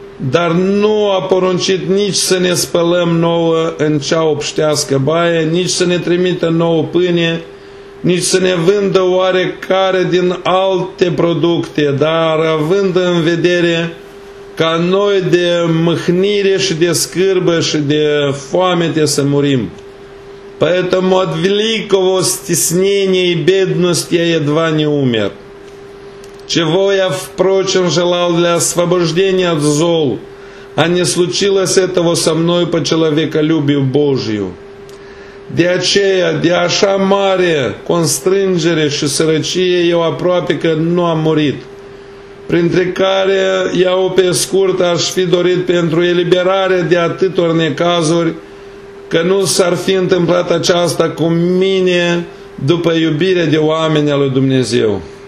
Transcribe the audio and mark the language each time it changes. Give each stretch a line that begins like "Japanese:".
Romanian: dar nu a poruncit nici să ne spălăm nouă în cea obștească baie, nici să ne trimită nouă pâine, nici să ne vândă oarecare din alte producte, dar având în vedere ca noi de mâhnire și de scârbă și de foamete să murim.
Russian: Поэтому от великого стеснения и бедности я едва не умер. Чего я, впрочем, желал для освобождения от зол, а не случилось этого со мной по человеколюбию Божию.
Romanian: De aceea, de așa mare constrângere și sărăcie, eu aproape că nu am murit, printre care iau pe scurt aș fi dorit pentru eliberare de atâtor necazuri, că nu s-ar fi întâmplat aceasta cu mine după iubire de oameni al lui Dumnezeu.